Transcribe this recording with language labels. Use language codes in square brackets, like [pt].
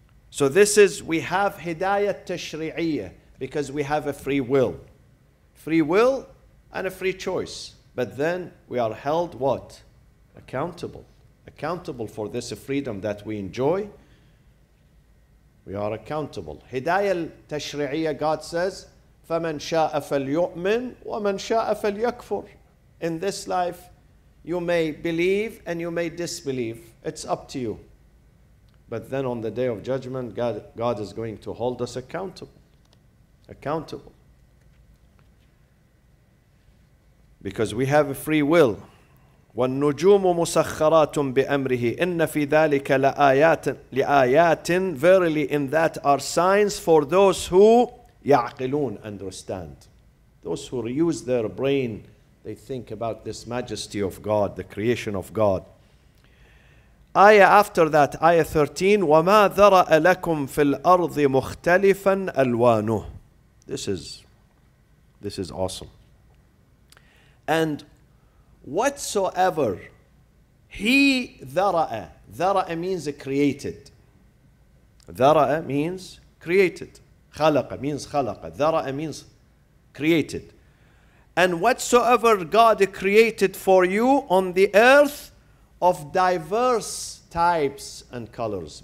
[en] So this is, we have hidayah tashri'iyya because we have a free will. Free will and a free choice. But then we are held what? Accountable. Accountable for this freedom that we enjoy. We are accountable. [ar] Hidayah al-Tashri'iyah, [en] God says, [ar] فَمَنْ شَاءَ فَلْيُؤْمِنْ وَمَنْ شَاءَ فَلْيَكْفُرْ. [en] In this life, you may believe and you may disbelieve. It's up to you. But then on the day of judgment, God is going to hold us accountable. Accountable. Because we have a free will. [ar] وَالنُّجُومُ مُسَخَّرَاتٌ بِأَمْرِهِ إِنَّ فِي ذَلِكَ لَآيَاتٍ. [en] Verily in that are signs for those who [ar] يَعْقِلُونَ, [en] understand. Those who use their brain, they think about this majesty of God, the creation of God. Ayah after that, ayah 13, [ar] وَمَا ذَرَأَ لَكُمْ فِي الْأَرْضِ مُخْتَلِفًا أَلْوَانُهُ. [en] This is awesome. And whatsoever he dhara'a, dhara'a means created. Dhara'a means created. Khalaqa means khalaqa. Dhara'a means created. And whatsoever God created for you on the earth of diverse types and colors.